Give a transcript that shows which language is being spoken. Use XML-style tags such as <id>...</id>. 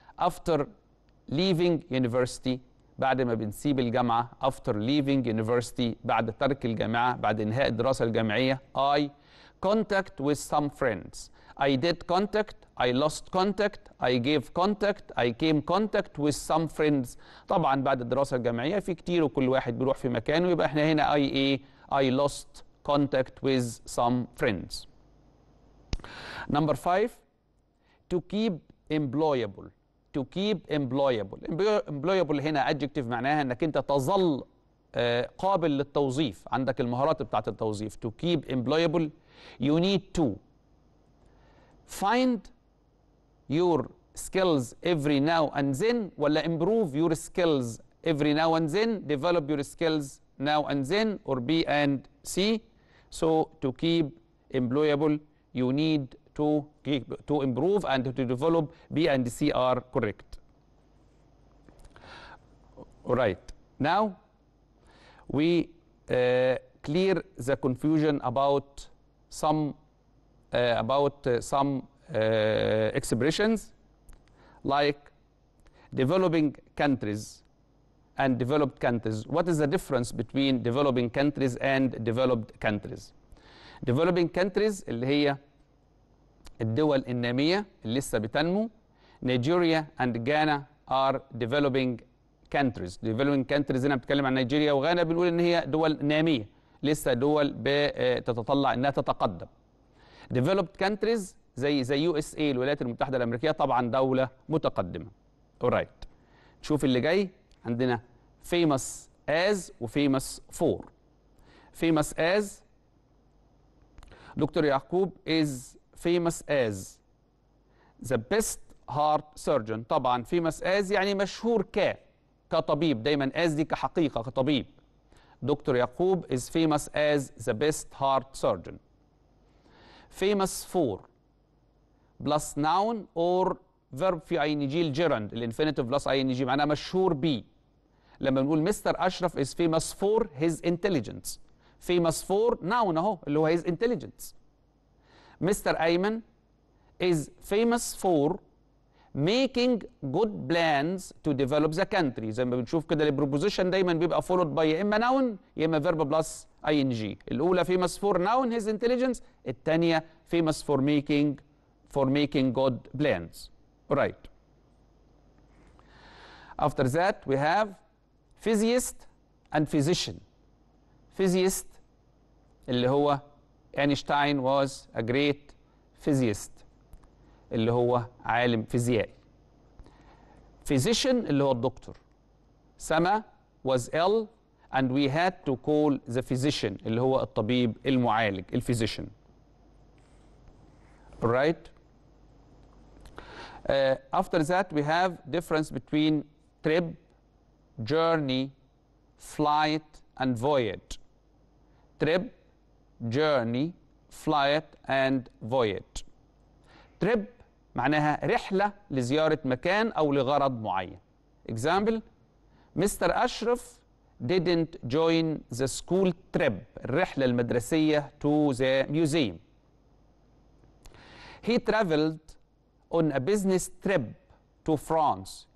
<en>After leaving university,</en> <ar>بعد ما بنسيب الجامعة,</ar> <en>after leaving university,</en> <ar>بعد ترك الجامعة, بعد انهاء الدراسة الجامعية,</ar> <en>I contact with some friends. I did contact, I lost contact, I gave contact, I came contact with some friends.</en> <ar>طبعا بعد الدراسة الجامعية في كتير وكل واحد بيروح في مكانه, يبقى احنا هنا</ar> <en>I lost contact with some friends. Number five, to keep employable.</en> <ar>Employable هنا adjective معناها انك انت تظل قابل للتوظيف, عندك المهارات بتاعت التوظيف.</ar> <en>To keep employable, you need to find your skills every now and then, ولا improve your skills every now and then, develop your skills now and then, or B and C. So to keep employable, you need to improve and to develop. B and C are correct. All right. Now we clear the confusion about some expressions like developing countries and developed countries. What is the difference between developing countries and developed countries?</en> <ar>developing countries اللي هي الدول النامية اللي لسه بتنمو.</ar> <en>Nigeria and Ghana are developing countries.</en> <ar>Developing countries هنا بتكلم عن نيجيريا وغانا، بنقول ان هي دول نامية لسه، دول بتتطلع انها تتقدم. Developed countries زي USA الولايات المتحدة الأمريكية طبعا دولة متقدمة. Alright. نشوف اللي جاي. عندنا famous as وfamous for.</ar> <en>Famous as، doctor يعقوب is famous as the best heart surgeon.</en> <ar>طبعا famous as يعني مشهور كطبيب، دايما as دي كحقيقة كطبيب.</ar> <en>Doctor يعقوب is famous as the best heart surgeon.</en> <ar>Famous for plus noun or verb في ing gerund الانفينيتيف بلس ing معناها مشهور بي. لما بنقول مستر اشرف</ar> <en>is famous for his intelligence، famous for noun</en> <ar>اهو اللي هو</ar> <en>his intelligence. Mister ايمن is famous for making good plans to develop the country.</en> <ar>زي ما بنشوف كده البروبوزيشن دايما بيبقى</ar> <en>followed by</en> <ar>اما noun يا اما verb plus ing. الاولى</ar> <en>famous for noun his intelligence،</en> <ar>الثانيه</ar> <en>famous for making good plans.</en> <ar>Right.</ar> <en>After that we have physicist and physician. Physicist اللي هو Einstein was a great physicist</en> <ar>اللي هو عالم فيزيائي. Physician اللي هو الدكتور.</ar> <en>Sama was ill and we had to call the physician</en> <ar>اللي هو الطبيب المعالج الفيزيشن.</ar> <en>Right. After that we have difference between trip, journey, flight and voyage. Trip, journey, flight and voyage.</en> <ar>Trip معناها رحلة لزيارة مكان أو لغرض معين.</ar> <en>Example: Mr. Ashraf didn't join the school trip,</en> <ar>الرحلة المدرسية</ar> <en>to the museum. He traveled on a business trip to France.</en>